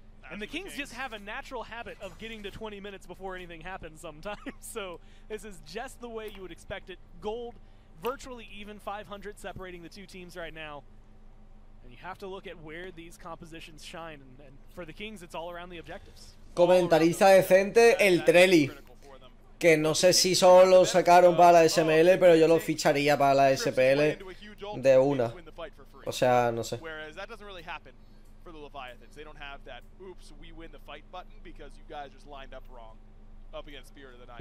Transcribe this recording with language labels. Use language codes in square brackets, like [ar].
[en] And the Kings just have a natural habit of getting to 20 minutes before anything happens sometimes. So this is just the way you would expect it. Gold, virtually even 500 separating the two teams right now. And you have to look at where these compositions shine. And for the Kings, it's all around the objectives. [es] Comentarista decente, el Trelli. Que no sé si solo lo sacaron para la SML, pero yo lo ficharía para la SPL de una. O sea, no sé. [en] Whereas that doesn't really happen for the Leviathans. They don't have that oops, we win the fight button because you guys just lined up wrong up against Spirit of the Night.